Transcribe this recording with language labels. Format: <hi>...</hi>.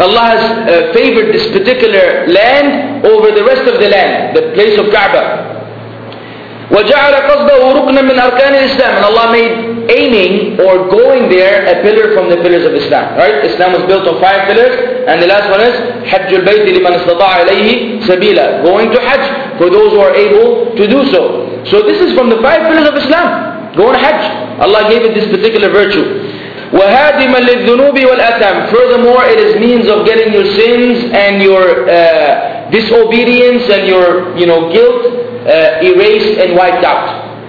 <en>Allah has favored this particular land over the rest of the land, the place of Kaaba.</en> <ar>وَجَعَلَ قَصْبَهُ رُقْنًا مِنْ أَرْكَانِ الْإِسْلَامِ.</ar> <en>And Allah made aiming or going there a pillar from the pillars of Islam. Right? Islam was built on five pillars. And the last one is</en> <ar>حَجُّ الْبَيْتِ لِمَنْ اسْتَطَاعَ عَلَيْهِ سَبِيلًا.</ar> <en>Going to Hajj for those who are able to do so. So this is from the five pillars of Islam. Going to Hajj. Allah gave it this particular virtue.</en> <ar>وَهَادِمًا لِلذُّنُوبِ وَالْأَثَامِ.</ar> <en>Furthermore, it is means of getting your sins and your disobedience and your guilt erased and wiped out.</en>